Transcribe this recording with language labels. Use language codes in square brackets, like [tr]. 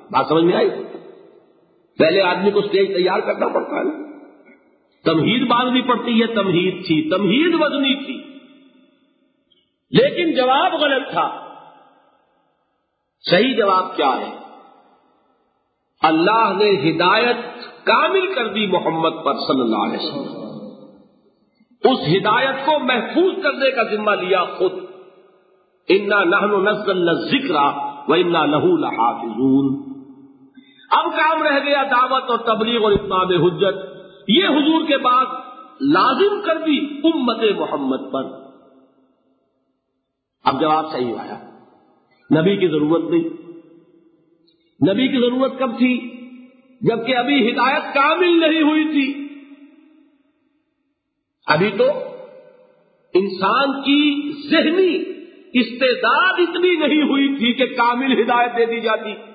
[ur] بات سمجھ میں آئی؟ پہلے آدمی کو اسٹیج تیار کرنا پڑتا ہے، تمہید باندھنی پڑتی ہے، تمہید تھی، تمہید وزنی تھی، لیکن جواب غلط تھا. صحیح جواب کیا ہے؟ اللہ نے ہدایت کامل کر دی محمد پر صلی اللہ علیہ وسلم، اس ہدایت کو محفوظ کرنے کا ذمہ لیا خود. [ar] انا نحن نزلنا الذکر وانا له لحافظون. [ur] اب کام رہ گیا دعوت اور تبلیغ اور اتمام حجت، یہ حضور کے بعد لازم کر دی امت محمد پر. اب جواب صحیح آیا، نبی کی ضرورت نہیں. نبی کی ضرورت کب تھی؟ جبکہ ابھی ہدایت کامل نہیں ہوئی تھی، ابھی تو انسان کی ذہنی استعداد اتنی نہیں ہوئی تھی کہ کامل ہدایت دے دی جاتی.